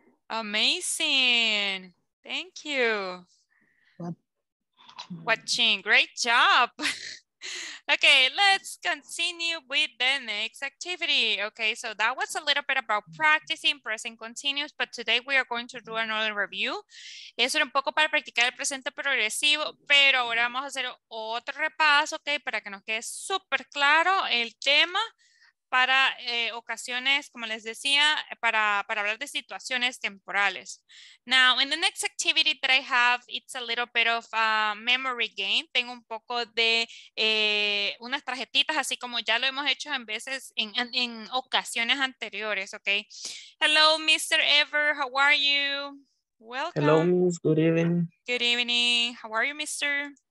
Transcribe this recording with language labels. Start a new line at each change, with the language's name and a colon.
English: Amazing. Thank you. Watching. Great job. Okay, let's continue with the next activity. Okay, so that was a little bit about practicing present continuous, but today we are going to do another review.
Spanish: Eso era un poco para practicar el presente progresivo, pero ahora vamos a hacer otro repaso, okay, para que nos quede súper claro el tema para ocasiones, como les decía, para hablar de situaciones temporales.
English: Now, in the next activity that I have, it's a little bit of a memory game.
Spanish: Tengo un poco de unas tarjetitas, así como ya lo hemos hecho en veces, en ocasiones anteriores, okay?
English: Hello, Mr. Ever, how are you? Welcome. Hello, Miss. Good evening. Good evening. How are you, Mr.?